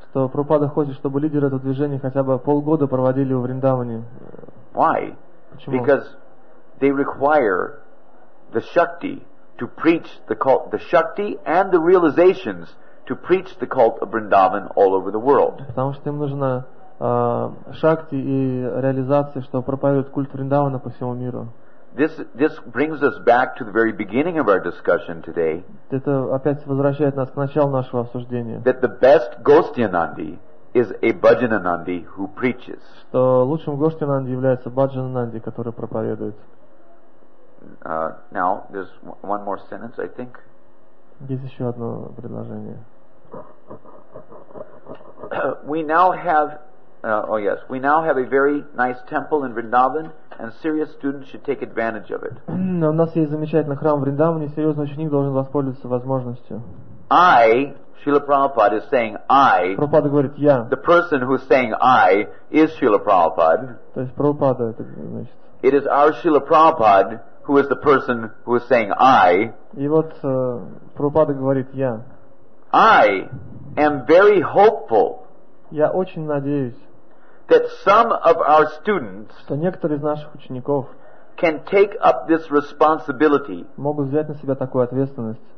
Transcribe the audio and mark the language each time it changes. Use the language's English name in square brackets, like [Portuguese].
[Russian] Что Прабхупада хочет, чтобы лидеры этого движения хотя бы полгода проводили в Вриндаване. [English] Why? [Russian] Почему? [English] Because they require the shakti to preach the cult, the shakti and the realizations to preach the cult of Vrindavan all over the world. [Russian] Потому что им нужна шакти и реализация, чтобы проповедовать культ Вриндавана по всему миру. [English] This brings us back to the very beginning of our discussion today. [Russian] Это опять возвращает нас к началу нашего обсуждения. [English] That the best Gostyanandi is a Bhajanandi who preaches. [Russian] Что лучшим Гостьянанди является Бхаджананди, который проповедует. [English] Now there's one more sentence, I think. [Russian] Есть еще одно предложение. [English] We now have Oh yes, we now have a very nice temple in Vrindavan, and serious students should take advantage of it. [Russian] У нас есть замечательный храм в Вриндаване, серьезный ученик должен воспользоваться возможностью. [English] I, Srila Prabhupada is saying I. [Russian] Прабхупада говорит я. [English] The person who is saying I is Srila Prabhupada. [Russian] То есть Прабхупада это значит. [English] It is our Srila Prabhupada who is the person who is saying I. [Russian] И вот Прабхупада говорит я. [English] I am very hopeful. [Russian] Я очень надеюсь, [English] that some of our students, [Russian] что некоторые из наших учеников, [English] can take up this responsibility, [Russian] могут взять на себя такую ответственность,